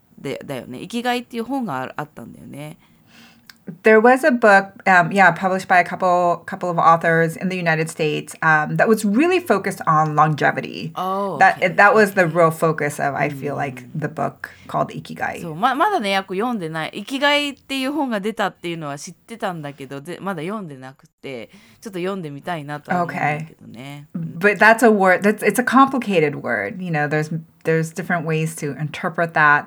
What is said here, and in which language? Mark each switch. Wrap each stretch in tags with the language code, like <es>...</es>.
<ja>Ikigai っていう本があったんだよね。</ja> <en>There was a book, published by a couple of authors in the United States that was really focused on longevity. Oh, okay. That was the real focus of, I feel like, the book called Ikigai.</en> <ja>So, まだね、訳読んでない。Ikigai っていう本が出たっていうのは知ってたんだけど、まだ読んでなくて、ちょっと読んでみたいなと思うんだけどね。</ja> <en>But that's a word, it's a complicated word. You know, there's different ways to interpret that.</en>